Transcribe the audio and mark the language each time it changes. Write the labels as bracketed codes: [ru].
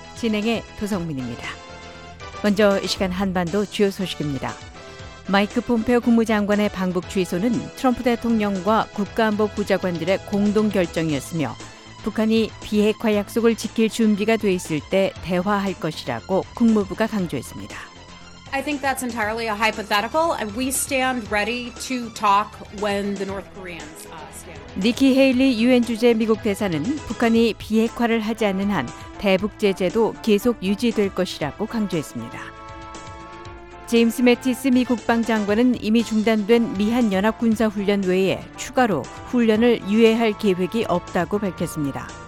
[ko] 진행의 도성민입니다. 먼저 이 시간 한반도 주요 소식입니다. 마이크 폼페오 국무장관의 방북 취소는 트럼프 대통령과 국가안보부장관들의 공동 결정이었으며 북한이 비핵화 약속을 지킬 준비가 돼 있을 때 대화할 것이라고 국무부가 강조했습니다. [en] I think that's entirely a hypothetical. We stand ready to talk when the North Koreans stand. [ko] 니키 헤일리 유엔 주재 미국 대사는 북한이 비핵화를 하지 않는 한 대북 제재도 계속 유지될 것이라고 강조했습니다. 제임스 매티스 미 국방장관은 이미 중단된 미한 연합군사 훈련 외에 추가로 훈련을 유예할 계획이 없다고 밝혔습니다.